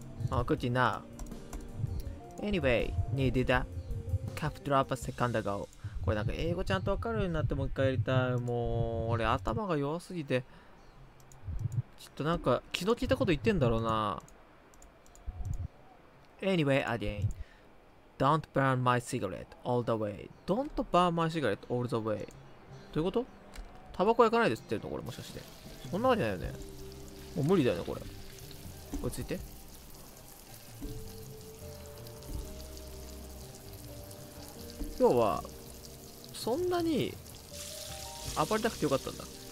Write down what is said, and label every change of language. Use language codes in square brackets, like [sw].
[ja] あ、クッキーな。 [en] Anyway, need a cap drop a second ago。 [ja] これなんか英語ちゃんとわかるようになってもう一回やりたい。もう、俺頭が弱すぎて。ちょっとなんか気の利いたこと言ってんだろうな。 [en] Anyway, again, don't burn my cigarette all the way. Don't burn my cigarette all the way. [ja] どういうこと？タバコ焼かないで吸ってるのこれもしかして。そんなわけないよね。もう無理だよね、これ。落ち着いて。今日は、そんなに暴れなくてよかったんだ。